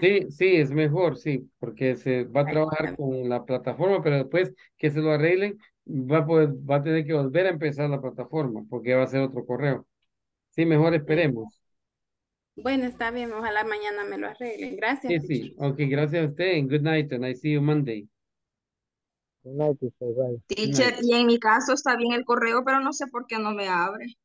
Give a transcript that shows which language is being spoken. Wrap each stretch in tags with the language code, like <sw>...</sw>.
<es>Sí, sí, es mejor, sí, porque se va a trabajar con la plataforma, pero después que se lo arreglen, va a tener que volver a empezar la plataforma, porque va a ser otro correo. Sí, mejor esperemos. Bueno, está bien, ojalá mañana me lo arreglen. Gracias. Sí, sí, teacher.</es> <en>Ok,</en> <es>gracias a usted,</es> <en>and good night, and I see you Monday. Good night, teacher, bye.</en> <es>Teacher, y en mi caso está bien el correo, pero no sé por qué no me abre.</es>